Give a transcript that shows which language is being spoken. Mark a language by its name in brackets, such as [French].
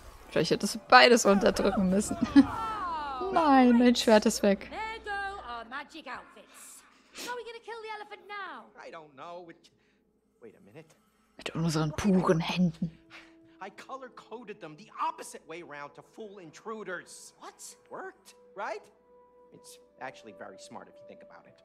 [German] Vielleicht hättest du beides unterdrücken müssen. Nein, mein Schwert ist weg. [English] There go our magic outfits. How are we gonna kill the elephant now? I don't know. Wait a minute. [German] Mit unseren puren Händen. [English] I color-coded them the opposite way round to fool intruders. What? Worked, right? It's actually very smart if you think about it.